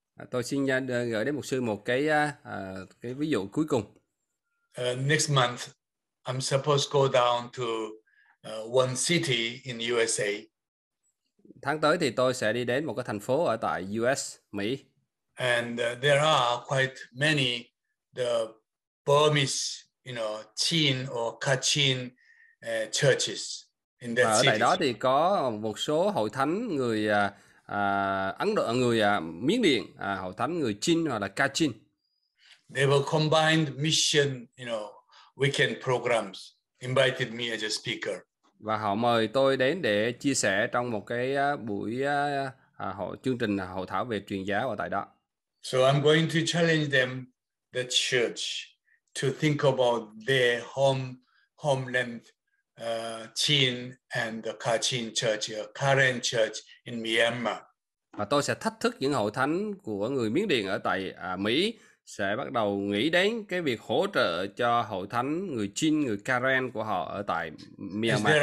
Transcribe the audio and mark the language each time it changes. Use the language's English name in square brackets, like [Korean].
[Vietnamese] Tôi xin gửi đến Mục sư một cái ví dụ cuối cùng. [English] Next month, I'm supposed to go down to one city in USA. [Vietnamese] Tháng tới thì tôi sẽ đi đến một cái thành phố ở tại US, Mỹ. [English] And there are quite many the Burmese, you know, Chin or Kachin churches in that city. [Vietnamese] Ở tại đó thì có một số hội thánh người Ấn Độ, người Miến Điện, hội thánh người Chin hoặc là Kachin. [English] They were combined mission, you know, weekend programs. Invited me as a speaker. [Vietnamese] Và họ mời tôi đến để chia sẻ trong một cái buổi chương trình hội thảo về truyền giáo ở tại đó. [English] So I'm going to challenge them, the church, to think about their homeland, Chin and the Kachin church, a Karen church in Myanmar. [Vietnamese] Và tôi sẽ thách thức những hội thánh của người Miến Điện ở tại Mỹ sẽ bắt đầu nghĩ đến cái việc hỗ trợ cho hội thánh người Chin, người Karen của họ ở tại Myanmar.